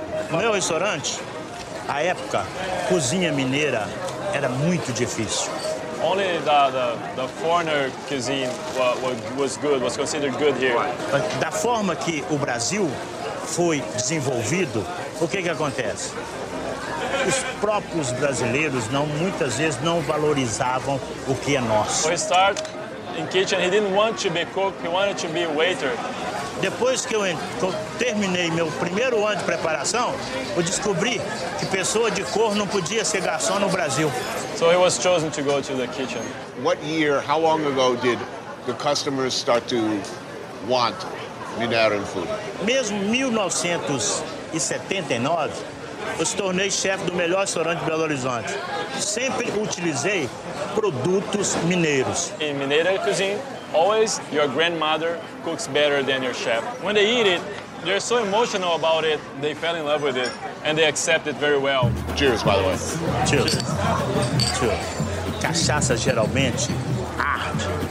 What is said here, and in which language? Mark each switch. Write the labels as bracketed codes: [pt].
[pt] Meu restaurante, a época, cozinha mineira era muito difícil. [en] Only the foreigner cuisine was good, was considered good here. [pt] But da forma que o Brasil foi desenvolvido, o que que acontece? Os próprios brasileiros não muitas vezes não valorizavam o que é nosso. [en] When he started in kitchen, he didn't want to be cook, he wanted to be a waiter. [pt] Depois que eu terminei meu primeiro ano de preparação, eu descobri que pessoa de cor não podia ser garçom no Brasil. [en] So he was chosen to go to the kitchen. What year, how long ago did the customers start to want Mineiro food? [pt] Mesmo 1979, eu se tornei chefe do melhor restaurante de Belo Horizonte. Sempre utilizei produtos mineiros. [en] In Mineiro cuisine, always your grandmother cooks better than your chef. When they eat it, they're so emotional about it, they fell in love with it, and they accept it very well. Cheers, by the way. Cheers. Cheers. [pt] Cachaça geralmente arde.